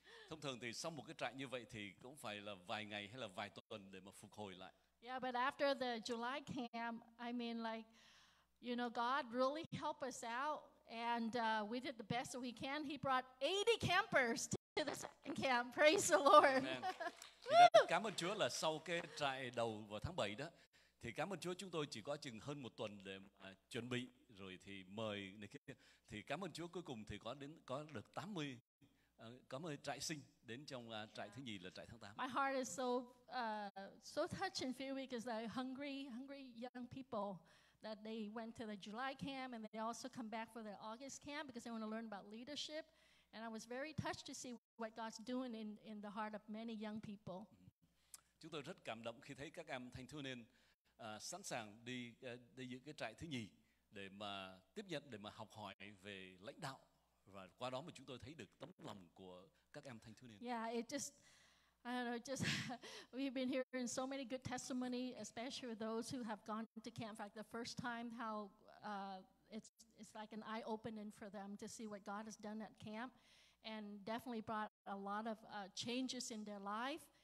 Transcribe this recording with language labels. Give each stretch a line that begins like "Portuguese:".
Vietnamese: Thông thường thì sau một cái trại như vậy thì cũng phải là vài ngày hay là vài tuần để mà phục hồi lại.
English: Yeah, but after the July camp, I mean, like, you know, God really helped us out, and we did the best that we can. He brought 80 campers to the second camp. Praise the Lord.
Vietnamese: Cảm ơn Chúa là sau cái trại đầu vào tháng 7 đó, thì cảm ơn Chúa chúng tôi chỉ có chừng hơn một tuần để chuẩn bị, rồi thì mời này kia. Thì cảm ơn Chúa cuối cùng thì có được 80, có mời trại sinh đến trong trại thứ nhì là trại tháng 8.
English: My heart is so so touched and feel weak, is like hungry young people that they went to the July camp and they also come back for the August camp because they want to learn about leadership. And I was very touched to see what God's doing in the heart of many young people.
Vietnamese: Chúng tôi rất cảm động khi thấy các em thanh thiếu niên sẵn sàng đi đi dự cái trại thứ nhì để mà tiếp nhận, để mà học hỏi về lãnh đạo, và qua đó mà chúng tôi thấy được tấm lòng của các em thanh thiếu niên.
English: Yeah, it just, I don't know, just we've been hearing so many good testimony, especially with those who have gone to camp for like the first time, how it's like an eye opening for them to see what God has done at camp, and definitely brought a lot of changes in their life.